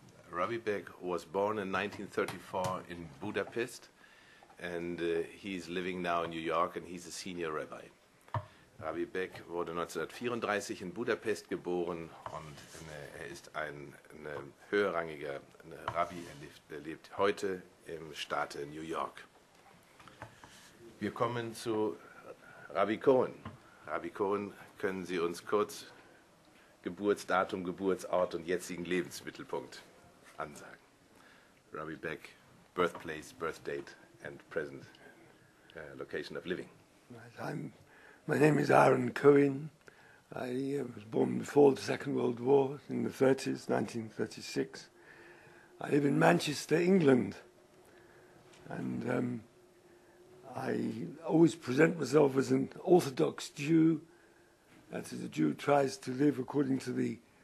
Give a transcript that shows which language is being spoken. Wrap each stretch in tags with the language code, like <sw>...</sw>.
<en>Rabbi Beck was born in 1934 in Budapest, and he's living now in New York, and he's a senior rabbi.</en> <de>Rabbi Beck wurde 1934 in Budapest geboren, und er ist ein höherrangiger Rabbi. Er lebt heute im Staate New York. Wir kommen zu Rabbi Cohen. Rabbi Cohen, können Sie uns kurz Geburtsdatum, Geburtsort und jetzigen Lebensmittelpunkt ansagen?</de> <en>Rabbi Beck, birthplace, birthdate, and present location of living. Right, my name is Aaron Cohen. I was born before the Second World War in the 30s, 1936. I live in Manchester, England. And I always present myself as an Orthodox Jew. That is, a Jew tries to live according to the</en>